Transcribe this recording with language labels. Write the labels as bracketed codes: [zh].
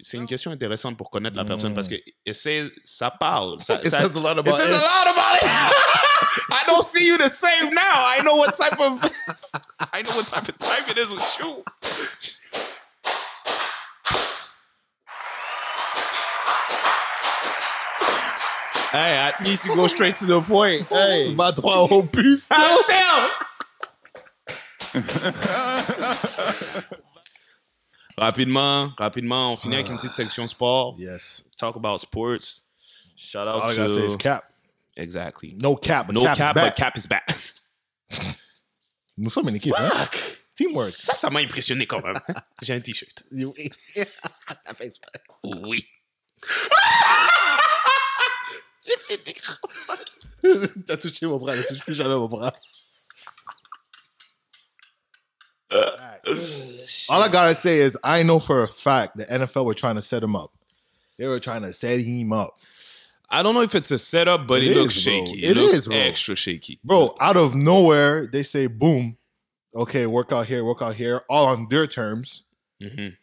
[fr] C'est une question intéressante pour connaître la personne parce que ça parle. [en] It says a lot about it. I don't see you the same now. I know what type of time it is with you. Hey, at least you go straight to the point. Hey, [fr] my droit au but [en] still. [fr] Rapidement, on finit avec une petite section sport. [en] Yes. Talk about sports. Shout out all to... All I gotta say is cap. Exactly. No cap, but no cap, cap is back. But cap is back. [fr] Nous sommes une équipe. [en] Fuck! [fr] Hein? Teamwork. Ça m'a impressionné quand même. J'ai un t-shirt. Oui. Ta face. Oui. J'ai fait des gros [en] fucks. [fr] T'as touché mon bras, t'as touché plus jamais mon bras. [en] All I gotta say is I know for a fact the NFL were trying to set him up. They were trying to set him up. I don't know if it's a setup, but it looks shaky. It looks extra shaky. Bro, out of nowhere, they say, boom, okay, work out here, all on their terms. Mm-hmm.